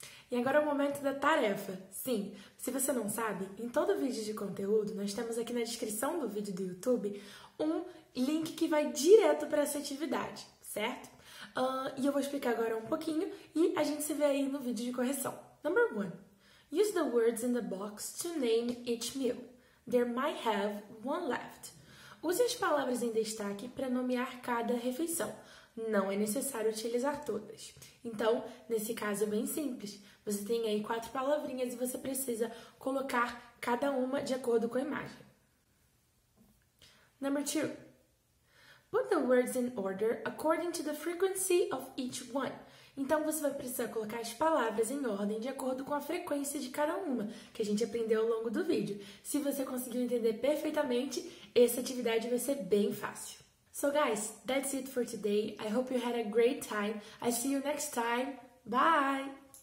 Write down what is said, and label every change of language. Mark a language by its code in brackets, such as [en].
[pt] E agora é o momento da tarefa. Sim, se você não sabe, em todo vídeo de conteúdo, nós temos aqui na descrição do vídeo do YouTube um link que vai direto para essa atividade, certo? E eu vou explicar agora um pouquinho e a gente se vê aí no vídeo de correção. [en] Number 1. Use the words in the box to name each meal. There might have one left. [pt] Use as palavras em destaque para nomear cada refeição. Não é necessário utilizar todas. Então, nesse caso é bem simples. Você tem aí quatro palavrinhas e você precisa colocar cada uma de acordo com a imagem. [en] Number 2. Put the words in order according to the frequency of each one. [pt] Então, você vai precisar colocar as palavras em ordem de acordo com a frequência de cada uma, que a gente aprendeu ao longo do vídeo. Se você conseguiu entender perfeitamente, essa atividade vai ser bem fácil. [en] So guys, that's it for today. I hope you had a great time. I see you next time. Bye!